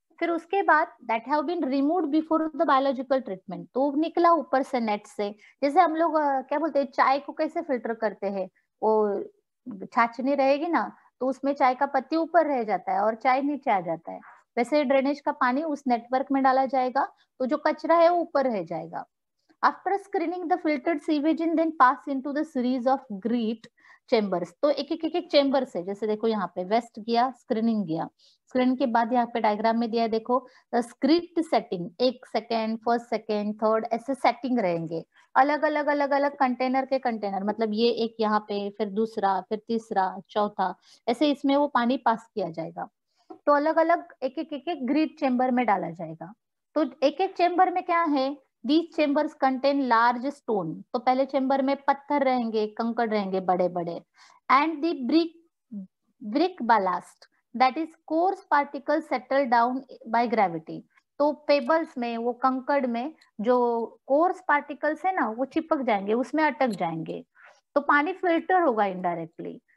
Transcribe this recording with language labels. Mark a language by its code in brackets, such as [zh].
[hi] फिर उसके बाद [en] that have been removed before the biological treatment, [hi] तो निकला ऊपर से नेट से। जैसे हम लोग क्या बोलते हैं, चाय को कैसे फिल्टर करते हैं, वो छाछनी रहेगी ना तो उसमें चाय का पत्ती ऊपर रह जाता है और चाय नीचे आ जाता है, वैसे ड्रेनेज का पानी उस नेटवर्क में डाला जाएगा तो जो कचरा है वो ऊपर रह जाएगा। [en] After screening, the filtered sewage in then pass into the series of grit chambers. [hi] तो एक-एक chambers है, जैसे देखो यहाँ पे west गया, screening गया, screen के बाद यहाँ पे diagram में दिया है, देखो [en] the grit setting, [hi] एक second, first second, third, ऐसे setting रहेंगे, अलग-अलग container, मतलब ये एक यहाँ पे, फिर दूसरा, फिर तीसरा, चौथा, ऐसे इसमें वो पानी पास किया जाएगा। तो अलग-अलग एक-एक grit chamber में डाला जाएगा। तो एक-एक chamber में क्या है, [en] These chambers contain large stone. [hi] तो पहले चेंबर में पत्थर रहेंगे, कंकड़ रहेंगे बड़े बड़े, [en] And the brick ballast that is coarse particle settle down by gravity. [hi] तो पेबल्स में, वो कंकड़ में जो कोर्स पार्टिकल्स है ना वो चिपक जाएंगे, उसमें अटक जाएंगे, तो पानी फिल्टर होगा इनडायरेक्टली।